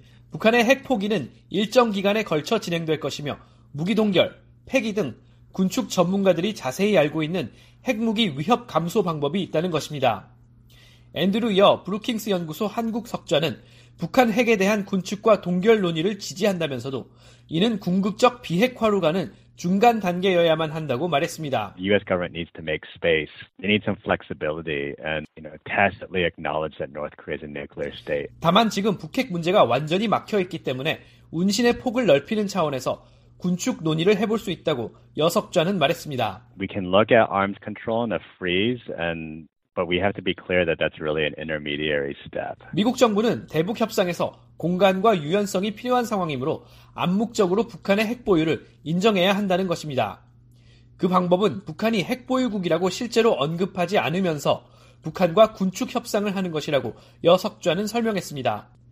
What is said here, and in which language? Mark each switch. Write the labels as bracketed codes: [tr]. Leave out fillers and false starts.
[ko] 북한의 핵 포기는 일정 기간에 걸쳐 진행될 것이며 무기 동결, 폐기 등 군축 전문가들이 자세히 알고 있는 핵무기 위협 감소 방법이 있다는 것입니다. 앤드루 여 브루킹스 연구소 한국 석좌는 북한 핵에 대한 군축과 동결 논의를 지지한다면서도 이는 궁극적 비핵화로 가는 중간 단계여야만 한다고 말했습니다. [en] The US government needs to make space. They need some flexibility and you know tacitly acknowledge that North Korea is a nuclear state. [ko] 다만 지금 북핵 문제가 완전히 막혀 있기 때문에 운신의 폭을 넓히는 차원에서 군축 논의를 해볼 수 있다고 여석좌는 말했습니다. [en] We can look at arms control and a freeze and but we have to be clear that that's really an intermediary step. [ko] 미국 정부는 대북 협상에서 공간과 유연성이 필요한 상황이므로 암묵적으로 북한의 핵 보유를 인정해야 한다는 것입니다. 그 방법은 북한이 핵 보유국이라고 실제로 언급하지 않으면서 북한과 군축 협상을 하는 것이라고 여석좌는 설명했습니다.